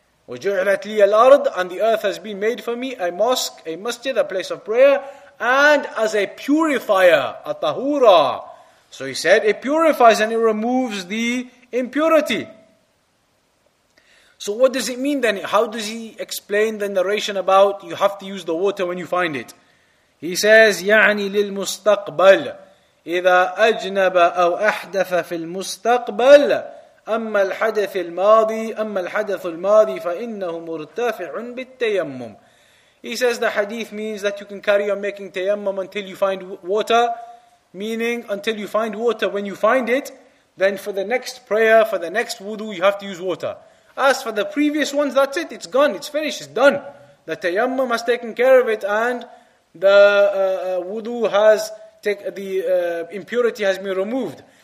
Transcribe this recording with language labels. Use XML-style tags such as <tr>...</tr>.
<ar>وَجُعْلَتْ لِيَ الْأَرْضُ,</ar> <en>and the earth has been made for me, a mosque, a masjid, a place of prayer, and as a purifier, a tahura. So he said, it purifies and it removes the impurity. So what does it mean then? How does he explain the narration about you have to use the water when you find it? He says,</en> <ar>يعني للمستقبل إذا أجنب أو أحدث في المستقبل أما الحدث الماضي أما الحدث الماضي فإنه مرتفع بالتيمم.</ar> <en>He says the hadith means that you can carry on making tayammum until you find water. Meaning, until you find water, when you find it, then for the next prayer, for the next wudu, you have to use water. As for the previous ones, that's it, it's gone, it's finished, it's done. The tayammum has taken care of it, and the wudu has, impurity has been removed.</en>